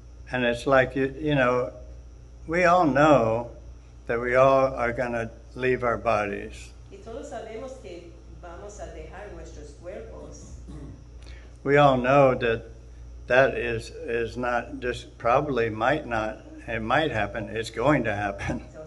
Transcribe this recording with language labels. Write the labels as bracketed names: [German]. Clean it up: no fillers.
[English] And it's like, you know, we all know that we all are going to leave our bodies. [Spanish] Y todos sabemos que vamos a dejar nuestros cuerpos. [English] We all know that is not just probably might not, it might happen, it's going to happen.